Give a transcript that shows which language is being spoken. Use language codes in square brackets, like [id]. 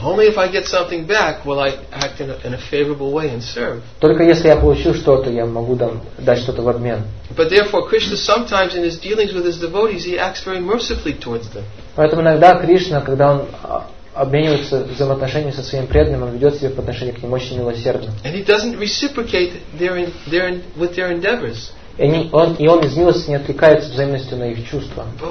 [en] Only if I get something back will I act in a favorable way and serve. [ru] Только если я получу что-то, я могу дать что-то в обмен. [en] But therefore, Krishna sometimes in his dealings with his devotees, he acts very mercifully towards them. [ru] Поэтому иногда Кришна, когда он обменивается взаимоотношениями со своим преданным, он ведет себя по отношению к ним очень милосердно. [en] And he doesn't reciprocate with their endeavors. [ru] И он из милости не отвлекается взаимностью на их чувства.